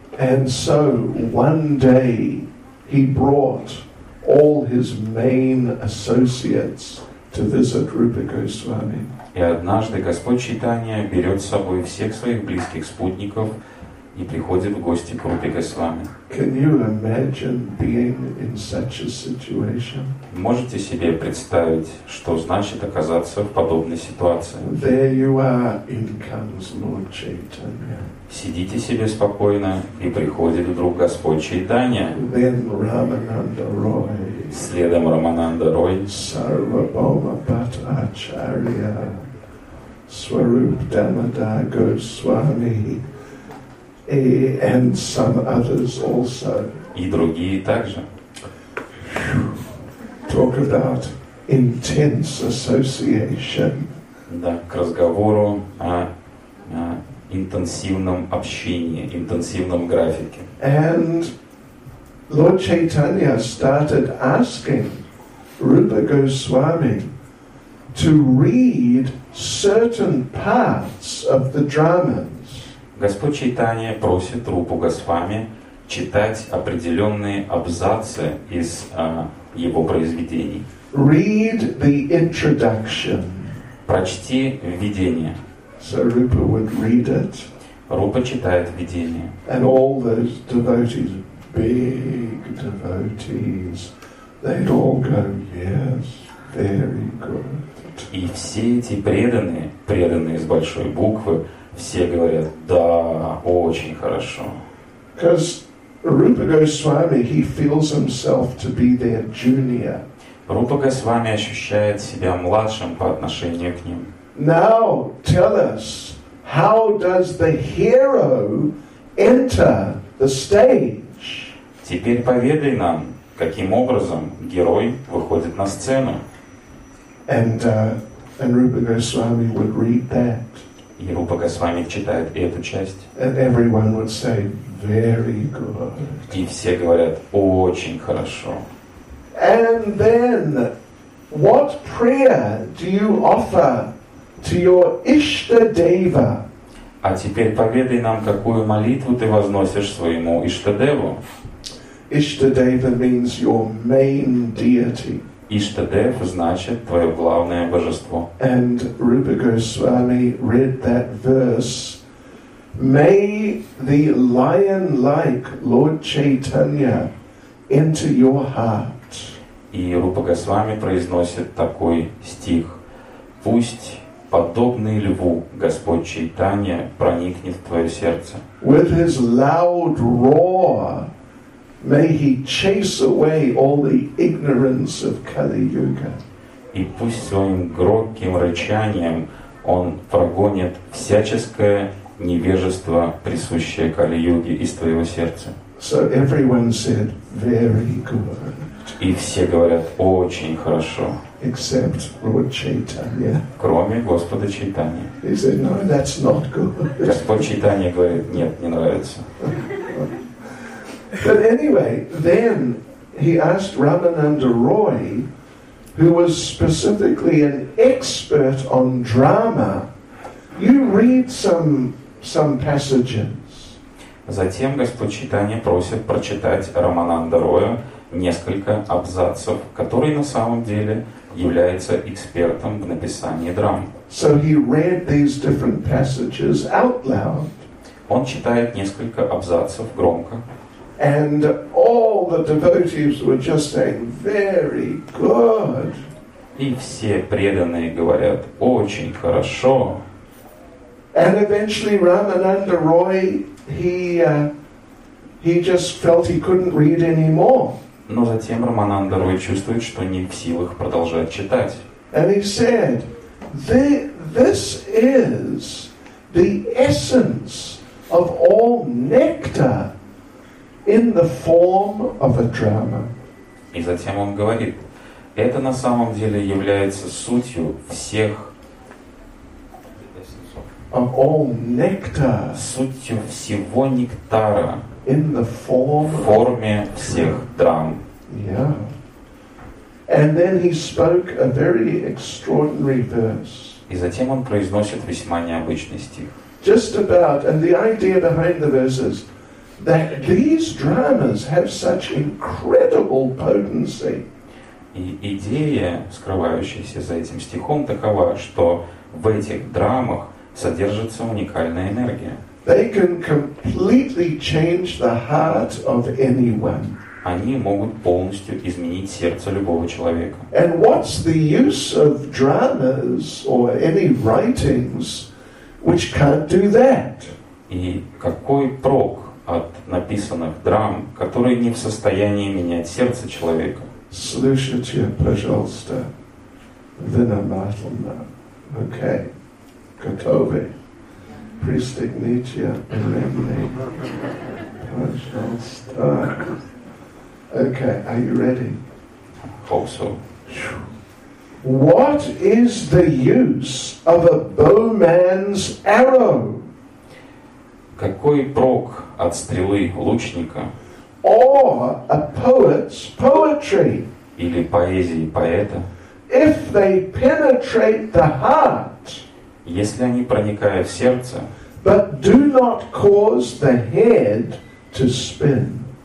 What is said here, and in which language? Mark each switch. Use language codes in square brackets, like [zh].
[en] And so one day he brought all his main associates to visit Rupa Goswami. [ru] И однажды Господь Чайтанья берет с собой всех своих близких спутников и приходит в гости к Рупе Госвами. [en] Can you imagine being in such a situation? [ru] Можете себе представить, что значит оказаться в подобной ситуации? [en] There you are, in comes Lord Chaitanya. [ru] Сидите себе спокойно, и приходит вдруг Господь Чайтанья. [en] Then Рамананда Рой. [ru] Следом Рамананда Рой. Сарвабхаума Бхат Ачарья. [en] Сваруп Дамодар Госвами. And some others also. [ru] И другие также. [en] Talk about intense association. [ru] Да, к разговору о интенсивном общении, интенсивном графике. [en] And Lord Chaitanya started asking Rupa Goswami to read certain parts of the drama. [ru] Господь Чайтанья просит Рупу Госвами читать определенные абзацы из его произведений. [en] Read the introduction. [ru] Прочти введение. [en] So Rupa would read it. [ru] Рупа читает введение. [en] And all those devotees, big devotees, they'd all go, yes, very good. [ru] И все эти преданные, преданные с большой буквы, все говорят: да, очень хорошо. [en] Because Rupa Goswami, he feels himself to be their junior. [ru] Рупа Госвами ощущает себя младшим по отношению к ним. [en] Now tell us, how does the hero enter the stage? [ru] Теперь поведай нам, каким образом герой выходит на сцену. [en] And Rupa Goswami would read that. [ru] И Рупа Госвами читает эту часть. [en] And everyone would say, very good. [ru] И все говорят: очень хорошо. [en] And then, what prayer do you offer to your Ishtadeva? [ru] А теперь поведай нам, какую молитву ты возносишь своему Ishtadevu. [en] Ishtadeva means your main deity. [ru] Иштадев значит твое главное божество. [en] And Rupa Goswami read that verse. May the lion-like Lord Chaitanya enter your heart. [ru] И Рупа Госвами произносит такой стих: пусть подобный льву Господь Чайтанья проникнет в твое сердце. [en] With his loud roar, may he chase away all the ignorance of Kali Yuga. [ru] И пусть своим громким рычанием он прогонит всяческое невежество, присущее Кали-Юге, из твоего сердца. [en] So everyone said, very good. [ru] И все говорят, очень хорошо. [en] Except Lord Chaitanya. [ru] Кроме Господа Чайтаньи. [en] He said, no, that's not good. [ru] Господь Чайтанья говорит, нет, не нравится. [en] But anyway, then he asked Рамананда Рой, who was specifically an expert on drama, you read some passages. [ru] Затем Господь Чайтанья просит прочитать Рамананда Роя несколько абзацев, который на самом деле является экспертом в написании драм. [en] So he read these different passages out loud. [ru] Он читает несколько абзацев громко. [en] And all the devotees were just saying, "Very good." [ru] И все преданные говорят, очень хорошо. [en] And eventually, Рамананда Рой, he just felt he couldn't read anymore. [ru] Но затем Рамананда Рой чувствует, что не в силах продолжать читать. [en] And he said, "This is the essence of all nectar." In the form of a drama. [ru] И затем он говорит, это на самом деле является сутью всех, [en] of all nectar, [ru] сутью всего нектара [en] in the form, [ru] в форме всех драм. Yeah. [en] And then he spoke a very extraordinary verse. [ru] И затем он произносит весьма необычный стих. [en] Just about, and the idea behind the verses. That these dramas have such incredible potency. [ru] И идея, скрывающаяся за этим стихом, такова, что в этих драмах содержится уникальная энергия. [en] They can completely change the heart of anyone. [ru] Они могут полностью изменить сердце любого человека. [en] And what's the use of dramas or any writings which can't do that? [ru] И какой прок от написанных драм, которые не в состоянии менять сердце человека. Слушайте, пожалуйста, внимательно. Окей. Готовы? Пристегните ремни. Пожалуйста. Окей, [en] are you ready? Hope so. What is the use of a bowman's arrow? [ru] Какой прок от стрелы лучника? [en] Or a poet's poetry. [ru] Или поэзии поэта? [en] If they penetrate the heart. [ru] Если они проникают в сердце. [en] But do not cause the head to spin.